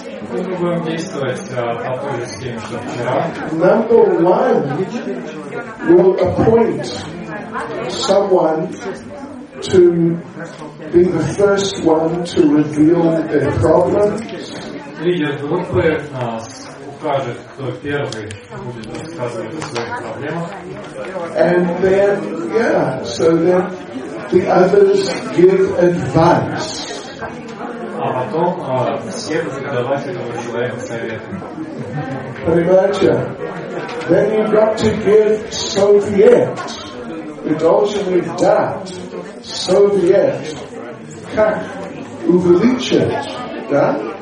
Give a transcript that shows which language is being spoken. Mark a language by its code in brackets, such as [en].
[ru] Мы будем действовать по той же схеме, что вчера. [en] Number one will appoint someone to be the first one to reveal their problems. [ru] Лидер группы укажет, кто первый будет рассказывать о своих проблемах. [en] And then, yeah, so then the others give advice. [ru] А потом все будут давать этому человеку советы. Понимаете? [en] Then you've got to give Soviet. [ru] и должен их дать, совет, как увеличить, да?